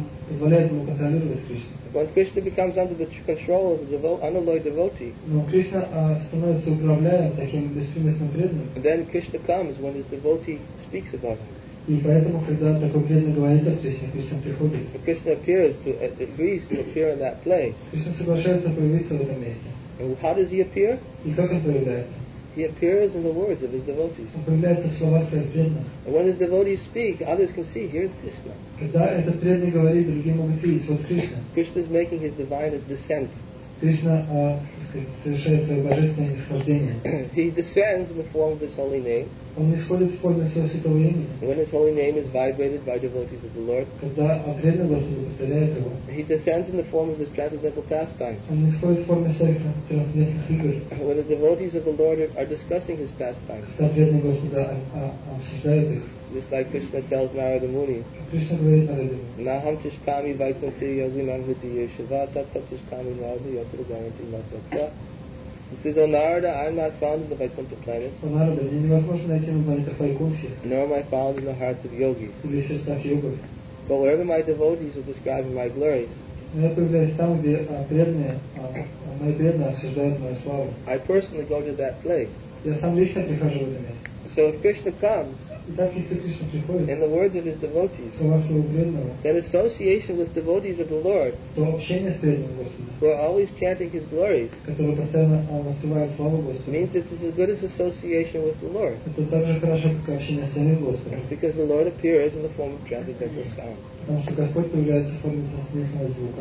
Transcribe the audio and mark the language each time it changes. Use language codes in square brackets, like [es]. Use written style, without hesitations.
[en] But when Krishna becomes under the control of the unalloyed devotee, then Krishna comes when his devotee speaks about him. [ru] И поэтому, когда такой преданный говорит о Кришне, Кришна приходит. [en] Krishna appears to at least appear in that place. [ru] Кришна соглашается появиться в этом месте. [en] And how does he appear? [ru] И как он появляется? [en] He appears in the words of his devotees. [ru] Он появляется в словах своих преданных. [en] And when his devotees speak, others can see, here is Krishna. [ru] Когда этот преданный говорит, другие могут видеть, вот Кришна. [en] Krishna is making his divine descent. [ru] Кришна, совершает свое божественное нисхождение. [en] He descends in the form of his holy name. [ru] Он исходит в форме своего святого имени. [en] When his holy name is vibrated by devotees of the Lord. [ru] Когда преданный повторяет его. [en] He descends in the form of his transcendental pastimes. [ru] Он исходит в форме своих трансцендентных игр. [en] When the devotees of the Lord are discussing his pastimes. [ru] Когда преданный обсуждает их. [en] Just like Krishna tells Narada Muni. [sa] Naham tishtami vaikunti yogi namhiti yeshiva tattva tishtami nardi yatra garanti matatva. [en] He says, O Narada, I am not found in the Vaikuntha planets. O Narada, you [ru] невозможно найти на планетах Vaikunthi. [en] Nor am I found in the hearts of yogis. [ru] В сердцах йогов. [en] But wherever my devotees are describing my glories. [ru] Я появляюсь там, где преданные, мои преданные обсуждают мою славу. [en] I personally go to that place. [ru] Я сам лично прихожу в это место. [en] So if Krishna comes, [ru] итак, если Кришна приходит, [en] in the words of his devotees, [ru] слова своего преданного, [en] then association with devotees of the Lord, [ru] то общение с преданным Господом, [en] who are always chanting his glories, [ru] которые постоянно воспевают славу Господа, [en] means it's as good as association with the Lord. [ru] Это так же хорошо, как общение с самим Господом. [en] Because the Lord appears in the form of transcendental sound. [ru] Потому что Господь появляется в форме трансцендентного звука.